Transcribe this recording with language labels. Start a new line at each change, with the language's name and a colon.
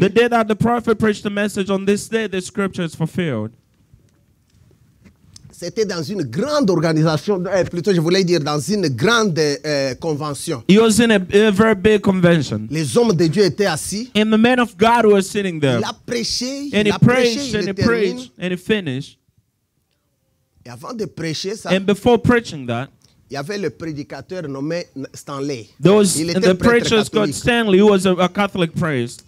English: The day that the prophet preached the message on this day, the scripture is fulfilled.
French: C'était dans une grande organisation, plutôt je voulais dire dans une grande convention.
English: He was in a very big convention.
French: Les hommes de Dieu étaient assis.
English: And the men of God were sitting there.
French: Il a prêché,
English: and
French: il a prêché,
English: and
French: il
English: he preached, and he finished.
French: Et avant de prêcher ça.
English: And before preaching that.
French: Il y avait le prédicateur nommé Stanley.
English: Those,
French: il était
English: the preacher's called Stanley, who was a Catholic priest.